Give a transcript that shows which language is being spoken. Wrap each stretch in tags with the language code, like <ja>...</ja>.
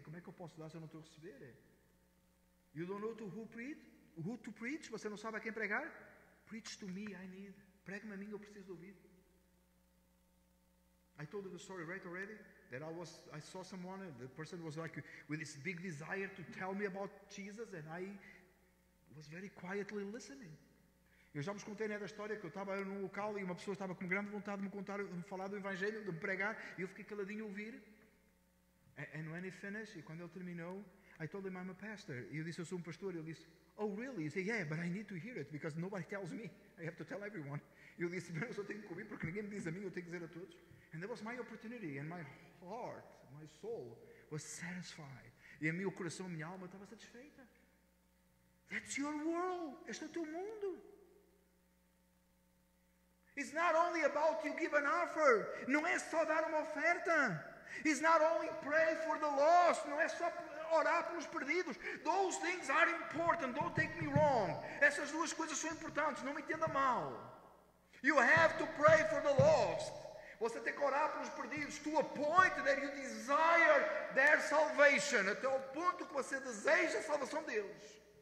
<pt>Como é que eu posso dar se eu não estou a receber?</pt> <en>You don't know to who to preach?</en> <pt>Você não sabe a quem pregar?</pt> <en>Preach to me, I need.</en> <pt>Pregue-me a mim, eu preciso de ouvir.</pt> <en>I told you the story right already, that I saw someone, and the person was like with this big desire to tell me about Jesus, and I was very quietly listening.</en> <pt>Eu já vos contei nesta história que eu estava num local e uma pessoa estava com grande vontade de me contar, de me falar do evangelho, de me pregar, e eu fiquei caladinho a ouvir.</pt> <en>And when he finished,</en> <pt>e quando ele terminou,</pt> <en>I told him I'm a pastor.</en> <pt>E eu disse, eu sou um pastor. E ele disse,</pt> <en>oh really? He said, yeah, but I need to hear it, because nobody tells me. I have to tell everyone.</en> <pt>E eu disse, eu só tenho que ouvir, porque ninguém me diz a mim, eu tenho que dizer a todos.</pt> <en>And that was my opportunity, and my heart, my soul, was satisfied.</en> <pt>E a minha coração, a minha alma estava satisfeita.</pt> <en>That's your world.</en> <pt>Este é o teu mundo.</pt> <en>It's not only about you give an offer.</en> <pt>Não é só dar uma oferta.</pt> <en>It's not only pray for the lost.</en> <pt>Não é só orar pelos perdidos.</pt> <en>Those things are important. Don't take me wrong.</en> <pt>Essas duas coisas são importantes. Não me entenda mal.</pt> <en>You have to pray for the lost.</en> <pt>Você tem que orar pelos perdidos.</pt> <en>To a point that you desire their salvation.</en> <pt>Até o ponto que você deseja a salvação deles.</pt>